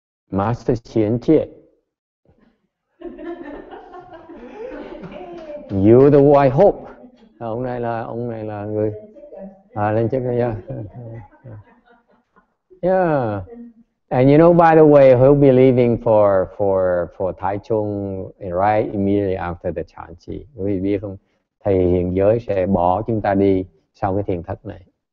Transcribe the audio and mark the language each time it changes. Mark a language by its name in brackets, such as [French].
[English] Master Chien Chie. You the white hope. [Vietnamese] À, ông này là người à, lên chức rồi. [English] Yeah. And you know, by the way, he'll be leaving for Thái Trung right immediately after the Chan Chi. [Vietnamese] Quý vị biết không? Thầy hiện giới sẽ bỏ chúng ta đi sau cái thiền thất này.